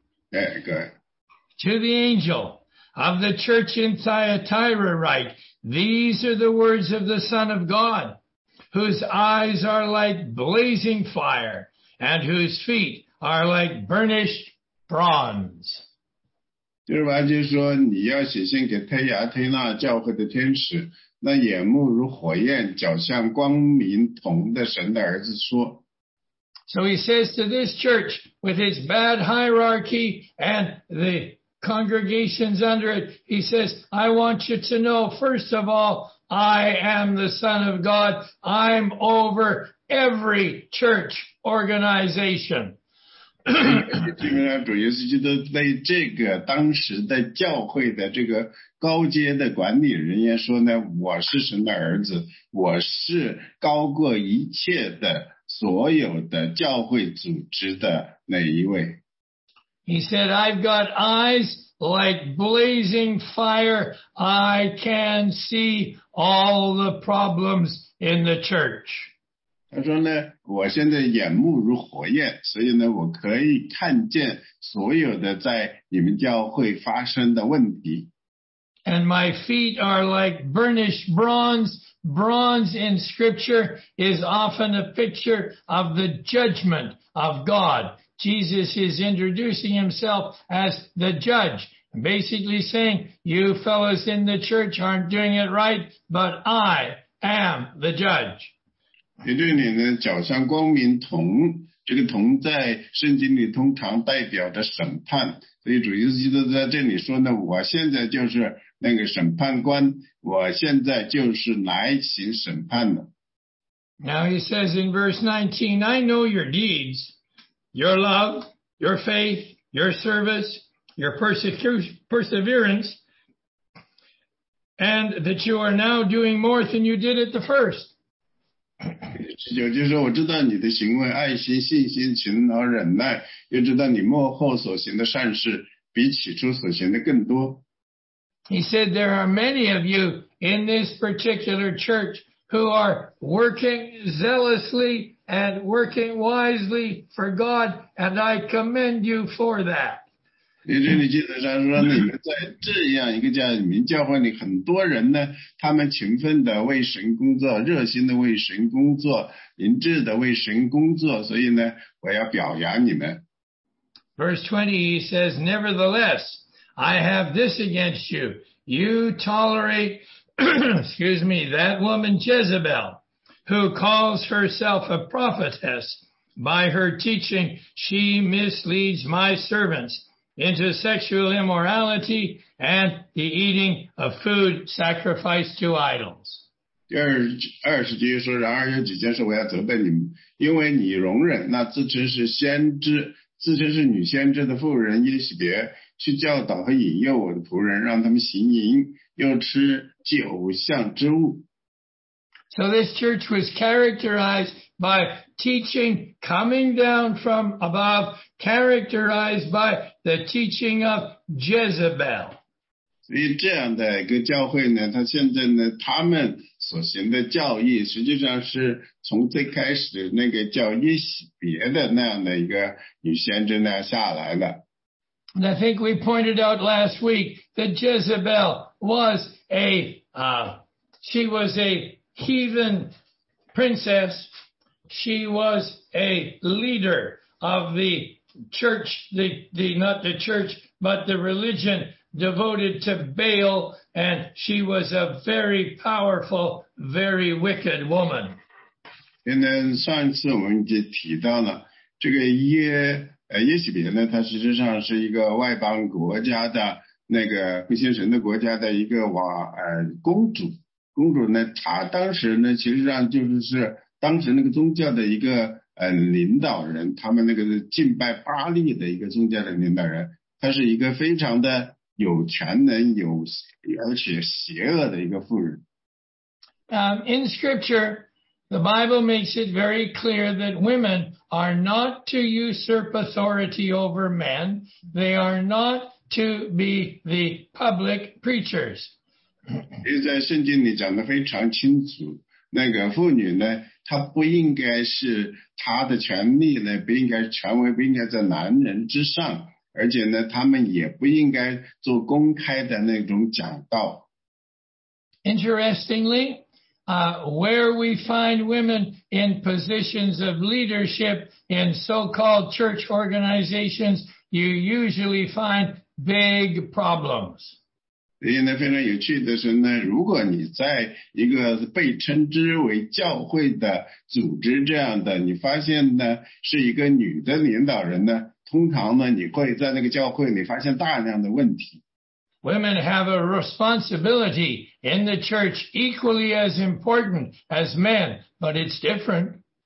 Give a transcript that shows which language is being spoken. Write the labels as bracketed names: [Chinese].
[English] To the angel of the church in Thyatira write, these are the words of the Son of God, whose eyes are like blazing fire, and whose feet are like burnished bronze. [Chinese] 就是完全说你要写信给推亚推纳教会的天使，那眼目如火焰，脚像光明铜的神的儿子说。 [English] So he says to this church with its bad hierarchy and the congregations under it, he says, I want you to know, first of all, I am the Son of God. I'm over every church organization. [Chinese] 基本上主耶稣基督对这个当时的教会的这个高阶的管理人员说呢，我是神的儿子，我是高过一切的所有的教会组织的那一位。 [English] He said, I've got eyes like blazing fire. I can see all the problems in the church. [Chinese] 他说呢，我现在眼目如火焰，所以呢，我可以看见所有的在你们教会发生的问题。 [English] And my feet are like burnished bronze. Bronze in scripture is often a picture of the judgment of God. Jesus is introducing himself as the judge, basically saying, you fellows in the church aren't doing it right, but I am the judge. [Chinese] 也对你呢，脚像光明铜，这个铜在圣经里通常代表着审判，所以主耶稣基督在这里说呢，我现在就是那个审判官，我现在就是来行审判的。 [English] Now he says in verse 19, I know your deeds. Your love, your faith, your service, your perseverance, and that you are now doing more than you did at the first. [Chinese] 就是说我知道你的行为，爱心、信心、勤劳、忍耐，又知道你末后所行的善事比起初所行的更多。 [English] He said there are many of you in this particular church who are working zealously. And working wisely for God, and I commend you for that. [Chinese] 你这里记得上说，你们在这样一个叫你们教会里，很多人呢，他们勤奋的为神工作，热心的为神工作，明智的为神工作，所以呢，我要表扬你们。 [English] Verse 20, he says, Nevertheless, I have this against you. You tolerate, excuse me, that woman Jezebel. Who calls herself a prophetess. By her teaching, she misleads my servants into sexual immorality and the eating of food sacrificed to idols. [Chinese] 20节说，然而有几件事我要责备你们，因为你容忍那自称是先知，自称是女先知的妇人耶洗别，去教导和引诱我的仆人，让他们行淫，又吃祭偶像之物。 [English] So this church was characterized by teaching coming down from above, characterized by the teaching of Jezebel. [Chinese] 所以这样的一个教会呢，他现在呢，他们所行的教义实际上是从最开始那个叫耶洗别的那样的一个女先知那样下来的。 [English] And I think we pointed out last week that Jezebel was a heathen princess, she was a leader of the church, the religion devoted to Baal, and she was a very powerful, very wicked woman. And then [Chinese] 上一次我们就提到了这个耶洗别呢，它实际上是一个外邦国家的那个不信神的国家的一个公主。公主呢，她当时呢，其实上就是当时那个宗教的一个领导人，他们那个敬拜巴利的一个宗教的领导人，她是一个非常的有权能有而且邪恶的一个妇人。 [English] In scripture, the Bible makes it very clear that women are not to usurp authority over men. They are not to be the public preachers. [Chinese] 其实在圣经里讲得非常清楚，那个妇女呢，她不应该是她的权利呢，不应该权威不应该在男人之上，而且呢，她们也不应该做公开的那种讲道。 [English] Interestingly, where we find women in positions of leadership in so-called church organizations, you usually find big problems. [Chinese] 因为非常有趣的是呢，如果你在一个被称之为教会的组织这样的，你发现呢是一个女的领导人呢，通常呢你会在那个教会里发现大量的问题。 [English] Women have a responsibility in the church equally as important as men, but it's different.